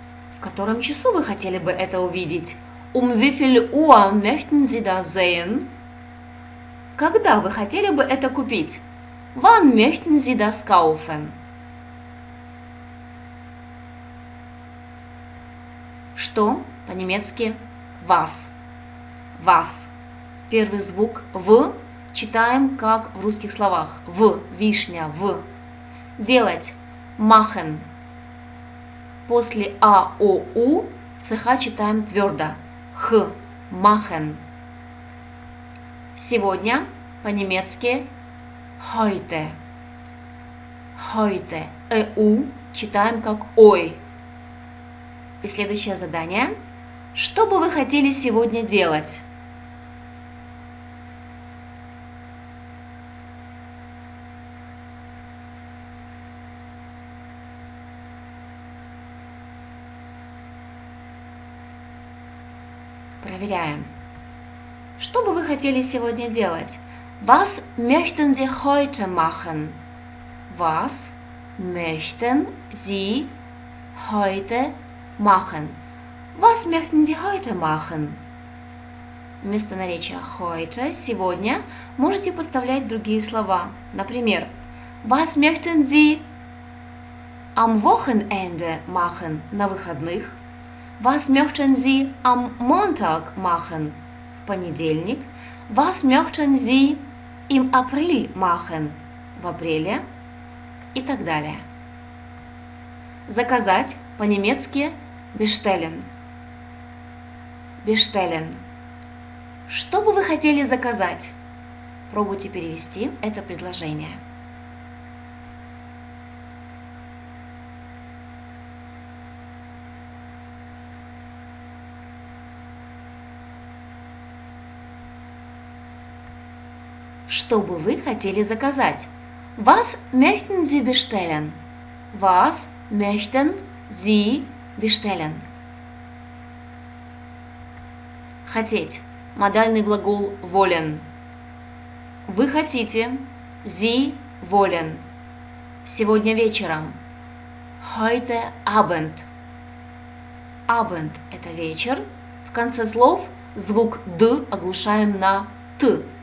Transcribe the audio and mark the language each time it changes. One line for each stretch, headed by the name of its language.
Russian: В котором часу вы хотели бы это увидеть?
German: Wie viel Uhr möchten Sie das sehen?
Russian: Когда вы хотели бы это купить?
German: Wann möchten Sie das kaufen?
Russian: Что по-немецки was?
German: Was.
Russian: Первый звук в читаем как в русских словах. В, вишня, в. Делать. Machen. После АОУ ЦХ читаем твердо.
German: Х. Machen.
Russian: Сегодня по-немецки heute. Heute. ЭУ читаем как ой. И следующее задание. Что бы вы хотели сегодня делать? Проверяем. Что бы вы хотели сегодня делать?
German: Was möchten Sie heute machen? Was möchten Sie heute machen? Was möchten Sie heute machen? Was
Russian: вместо наречия heute, сегодня, можете подставлять другие слова.
German: Например, Was möchten Sie am Wochenende machen?
Russian: На выходных.
German: Was möchten Sie am Montag machen?
Russian: В понедельник.
German: Was möchten Sie im April machen?
Russian: В апреле. И так далее. Заказать по-немецки bestellen.
German: Bestellen.
Russian: Что бы вы хотели заказать? Пробуйте перевести это предложение. Что бы вы хотели заказать?
German: Was möchten Sie bestellen? Was möchten Sie bestellen?
Russian: Хотеть. Модальный глагол wollen. Вы хотите.
German: Sie wollen.
Russian: Сегодня вечером.
German: Heute Abend.
Russian: Abend – это вечер. В конце слов звук «д» оглушаем на «т».